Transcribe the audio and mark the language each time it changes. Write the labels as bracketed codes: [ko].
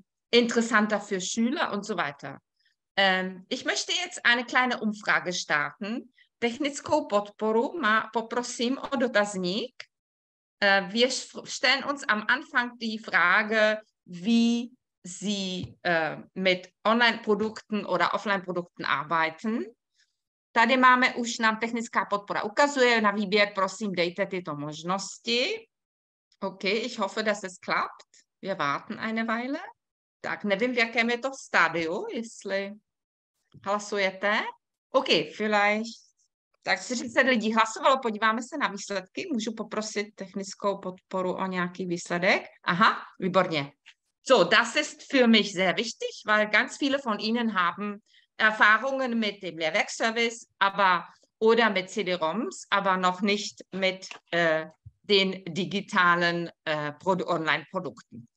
[de] Interessanter für Schüler und so weiter. Ich möchte jetzt eine kleine Umfrage starten. [cs] Technickou podporu má poprosím o dotazník. [de] Wir stellen uns am Anfang die Frage, wie Sie mit Online-Produkten oder Offline-Produkten arbeiten. [cs] Tady máme už nám technická podpora ukazuje. Na výběr prosím dejte tyto možnosti. [de] Okay, ich hoffe, dass es klappt. Wir warten eine Weile. [cs] Tak nevím, v jakém je to stádiu, jestli hlasujete. OK, [de] vielleicht. [cs] Tak 40 lidí hlasovalo, podíváme se na výsledky. Můžu poprosit technickou podporu o nějaký výsledek. Aha, výborně. [de] So, das ist für mich sehr wichtig, weil ganz viele von Ihnen haben Erfahrungen mit dem Lehrwerkservice aber, oder mit CD-ROMs, aber noch nicht mit den digitalen Online-Produkten.